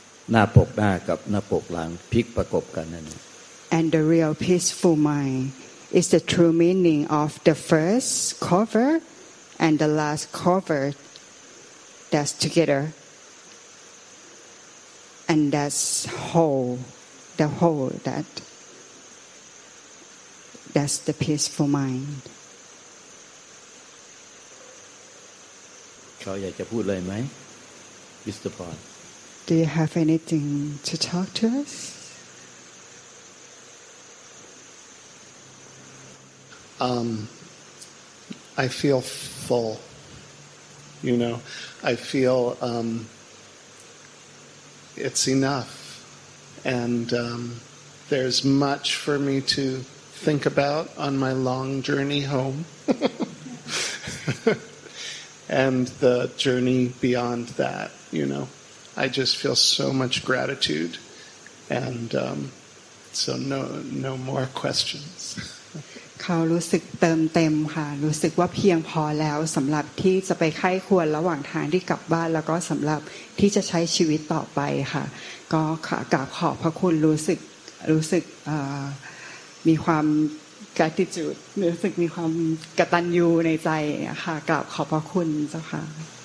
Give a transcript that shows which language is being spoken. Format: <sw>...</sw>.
<th>หน้าปกหน้ากับหน้าปกหลังพลิกประกบกันนั่น</th> <en>And the real peaceful mind is the true meaning of the first cover and the last cover that's together and that's whole the whole that's the peaceful mind</en> <th>เขาอยากจะพูดอะไรไหม Mr. Paul</th> <en>Do you have anything to talk to us? I feel full. You know, I feel it's enough. And there's much for me to think about on my long journey home. And the journey beyond that, you know, I just feel so much gratitude, and so no more questions.</en> <th>เขารู้สึกเติมเต็มค่ะรู้สึกว่าเพียงพอแล้วสำหรับที่จะไปไข้ควรระหว่างทางที่กลับบ้านแล้วก็สำหรับที่จะใช้ชีวิตต่อไปค่ะก็ขอกราบขอบพระคุณรู้สึกมีความgratitude รู้สึกมีความกตัญญูในใจค่ะกราบขอบพระคุณเจ้าค่ะ</th>